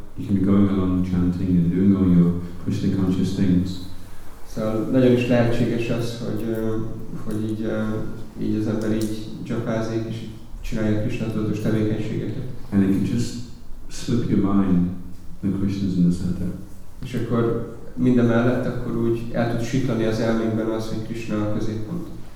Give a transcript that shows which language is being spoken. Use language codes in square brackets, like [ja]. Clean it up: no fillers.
[en] You can be going along chanting and doing all your Krishna conscious things. [hu] Szóval nagyon is lehetséges az, hogy hogy így így az ember így gyakázik és csinálja a Krishna tudatos tevékenységeket. [en] And it can just slip your mind that Krishna's in the center. [hu] És akkor mindemellett akkor úgy el tud siklani az elménkben az, hogy Krishna a középpont.